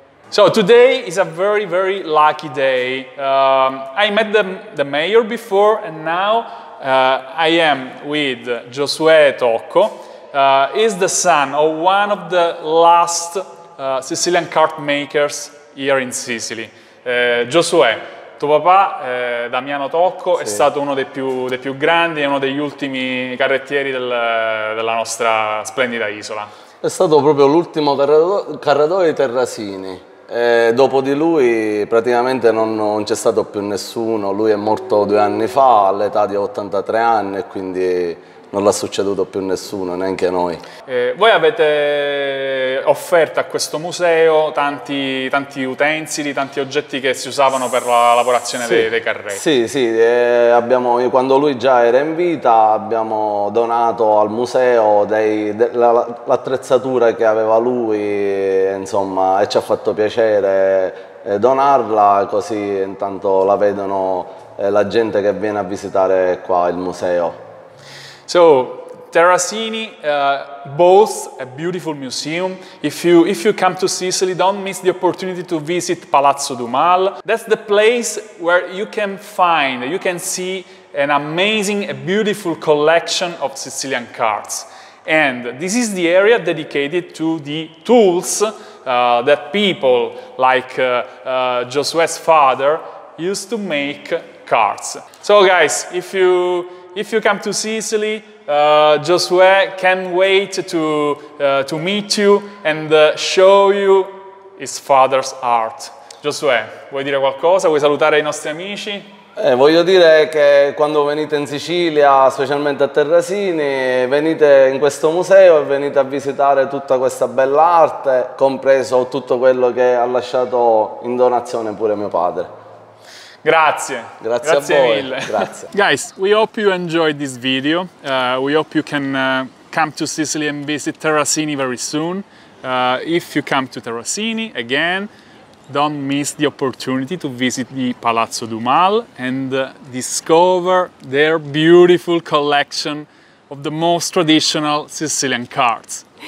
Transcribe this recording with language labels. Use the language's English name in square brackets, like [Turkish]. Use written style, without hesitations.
[English] So today is a very, very lucky day. I met the mayor before, and now I am with Josué Tocco. He's the son of one of the last Sicilian cart makers here in Sicily. [Italian] Josué, tuo papà, Damiano Tocco, sì, è stato uno dei più grandi e uno degli ultimi carrettieri della nostra splendida isola. È stato proprio l'ultimo carrettiere di Terrasini. Dopo di lui praticamente non c'è stato più nessuno. Lui è morto 2 anni fa all'età di 83 anni e quindi non l'ha succeduto più nessuno, neanche noi. Voi avete offerto a questo museo tanti utensili, tanti oggetti che si usavano per la lavorazione, sì, dei carretti. Sì, sì. Abbiamo, quando lui già era in vita, abbiamo donato al museo l'attrezzatura che aveva lui, insomma, e ci ha fatto piacere donarla, così intanto la vedono la gente che viene a visitare qua il museo. [English] So Terrasini boasts a beautiful museum. If you come to Sicily, don't miss the opportunity to visit Palazzo Dumal. That's the place where you can see an amazing, a beautiful collection of Sicilian carts. And this is the area dedicated to the tools that people like Josué's father used to make carts. So guys, if you come to Sicily, Josué can't wait to meet you and show you his father's art. [Italian] Josué, vuoi dire qualcosa? Vuoi salutare i nostri amici? Voglio dire che quando venite in Sicilia, specialmente a Terrasini, venite in questo museo e venite a visitare tutta questa bella arte, compreso tutto quello che ha lasciato in donazione pure mio padre. Grazie a voi. Grazie. [English] Guys, we hope you enjoyed this video. We hope you can come to Sicily and visit Terrasini very soon. If you come to Terrasini, again, don't miss the opportunity to visit the Palazzo Dumal and discover their beautiful collection of the most traditional Sicilian carts.